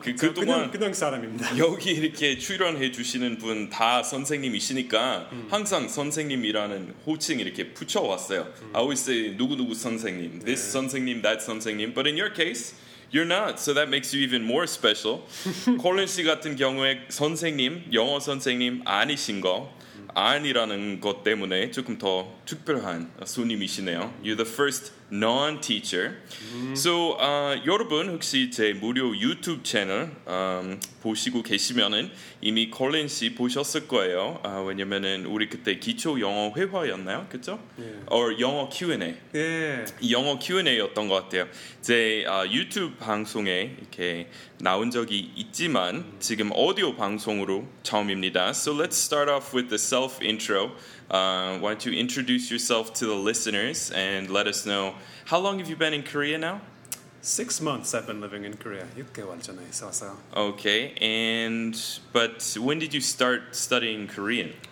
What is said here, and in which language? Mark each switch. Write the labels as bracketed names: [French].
[Korean] 그 동안 그냥 사람입니다. 여기 이렇게 출연해 주시는 분 다 선생님이시니까 항상 선생님이라는 호칭 이렇게 붙여왔어요. [English] I always say [Korean] 누구누구 선생님, [English] this [Korean] 네. 선생님, [English] that 선생님. But in your case, you're not, so that makes you even more special. [Korean] 콜린 씨 같은 경우에 선생님, 영어 선생님 아니신 거 아니라는 것 때문에 조금 더 특별한 손님이시네요. [English] You're the first non-teacher. [Korean] So, 여러분 혹시 제 무료 유튜브 채널 보시고 계시면은 이미 콜린 씨 보셨을 거예요. 왜냐면은 우리 그때 기초 영어 회화였나요? 그렇죠? [English] Yeah. [Korean] Or 영어 Q&A. [English] Yeah. [Korean] 영어 Q&A였던 것 같아요. 제 유튜브 방송에 이렇게 나온 적이 있지만 지금 오디오 방송으로 처음입니다. [English] So let's start off with the self-intro. Why don't you introduce yourself to the listeners and let us know how long have you been in Korea now? 6 months I've been living in Korea. [Korean] 6개월 전에 있어서. [English] Okay, and but when did you start studying Korean?